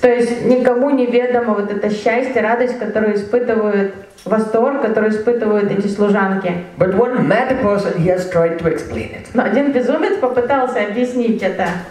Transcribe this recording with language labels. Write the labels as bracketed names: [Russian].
[Russian] То есть никому неведомо вот это счастье, радость, которую испытывают. Восторг, который испытывают эти служанки. [English] But one mad person, he has tried to explain it. [Russian] Но один безумец попытался объяснить это.